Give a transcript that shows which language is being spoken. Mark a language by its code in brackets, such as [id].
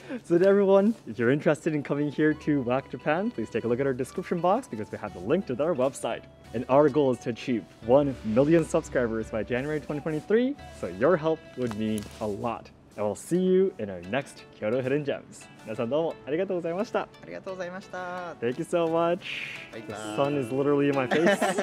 [en] So to everyone, if you're interested in coming here to WAK Japan, please take a look at our description box because we have the link to our website. And our goal is to achieve 1 million subscribers by January 2023, so your help would mean a lot. And we'll see you in our next Kyoto Hidden Gems. [ja] 皆さんどうもありがとうございました。ありがとうございました。 [en] Thank you so much. The sun is literally in my face.